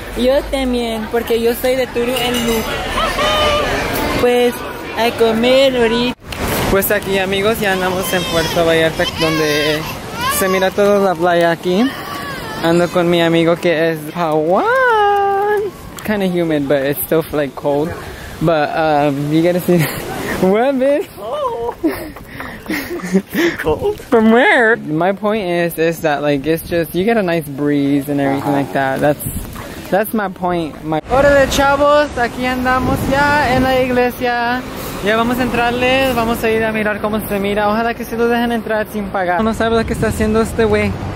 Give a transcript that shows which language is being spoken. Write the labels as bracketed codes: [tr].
[es] Yo también, porque yo soy de Turu el Luz. Pues, a comer ahorita. Pues aquí, amigos, ya andamos en Puerto Vallarta, donde se mira toda la playa aquí. Ando con mi amigo que es Pawan. [en] Kind of humid, but it's still like cold. But, you gotta see. What, bitch? Cold. From where? My point is that like it's just you get a nice breeze and everything like that. That's That's my point. My [es] Órale, chavos, aquí andamos ya en la iglesia. Ya vamos a entrarles, vamos a ir a mirar cómo se mira. Ojalá que se lo dejen entrar sin pagar. No sabes lo que está haciendo este güey.